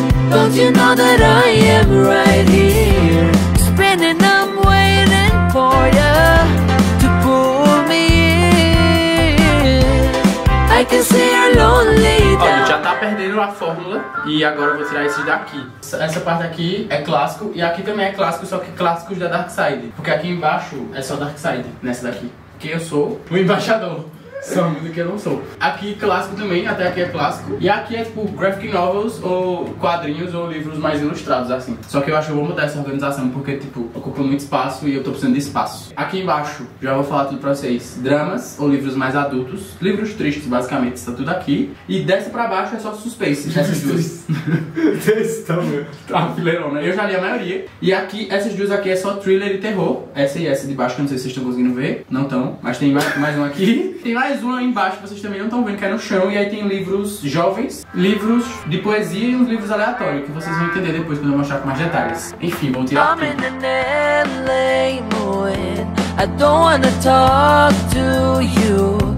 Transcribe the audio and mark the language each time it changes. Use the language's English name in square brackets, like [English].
[English] Don't you know that I am right here? Spinning, I'm waiting for you to pull me in. I can see you're lonely down there. [Portuguese] Ó, a gente já tá perdendo a fórmula e agora eu vou tirar esses daqui. Essa parte aqui é clássico e aqui também é clássico, só que clássicos da Dark Side. Porque aqui embaixo é só Dark Side, nessa daqui. Que eu sou o embaixador. Somos o que eu não sou. Aqui clássico também, até aqui é clássico. E aqui é tipo graphic novels ou quadrinhos ou livros mais ilustrados, assim. Só que eu acho que eu vou mudar essa organização porque, tipo, ocupa muito espaço e eu tô precisando de espaço. Aqui embaixo, já vou falar tudo pra vocês. Dramas ou livros mais adultos. Livros tristes, basicamente, está tudo aqui. E dessa pra baixo é só suspense. Essas duas. Textão, meu. Tá fileirão, né? Eu já li a maioria. E aqui, essas duas aqui é só thriller e terror. Essa e essa de baixo, que eu não sei se vocês estão conseguindo ver. Não tão, mas tem mais um aqui. Tem mais um aí embaixo, vocês também não estão vendo, que é no chão. E aí tem livros jovens, livros de poesia e uns livros aleatórios, que vocês vão entender depois quando eu mostrar com mais detalhes. Enfim, vou tirar tudo. [English] I'm in an LA morning, I don't wanna talk to you.